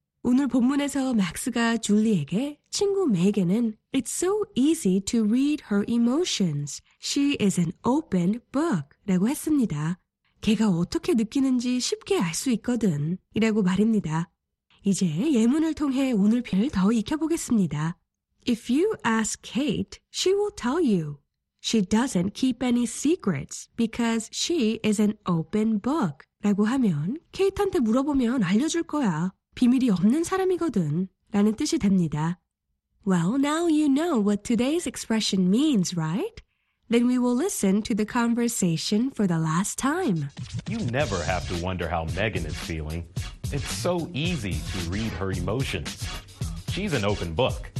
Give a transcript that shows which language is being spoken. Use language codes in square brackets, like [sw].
[ko] 오늘 본문에서 맥스가 줄리에게 친구 메이겐은 [en] It's so easy to read her emotions. She is an open book. [ko] 라고 했습니다. 걔가 어떻게 느끼는지 쉽게 알 수 있거든. 이라고 말입니다. 이제 예문을 통해 오늘 표현을 더 익혀보겠습니다. [en] If you ask Kate, she will tell you. She doesn't keep any secrets because she is an open book. [ko] 라고 하면 케이트한테 물어보면 알려줄 거야. 비밀이 없는 사람이거든. 라는 뜻이 됩니다. [en] Well, now you know what today's expression means, right? Then we will listen to the conversation for the last time. You never have to wonder how Megan is feeling. It's so easy to read her emotions. She's an open book.